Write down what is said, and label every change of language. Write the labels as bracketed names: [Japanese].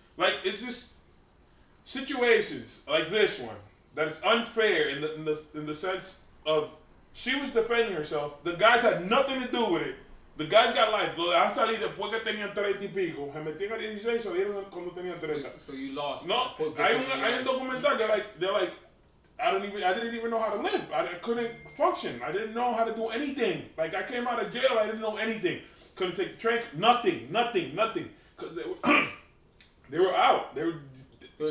[English] Like, it's just situations like this one that is unfair in the sense of she was defending herself. The guys had nothing to do with it. The guys got life. [Spanish] Lo dejaron salir después que tenían 30 y pico. Se metían a 16 y salieron cuando tenían 30. [English] So you lost. [Spanish] No, hay un documental. [English] They're like, I didn't even know how to live. I couldn't function. I didn't know how to do anything. Like, I came out of jail, I didn't know anything. Couldn't take the train, nothing. Because they were out. They were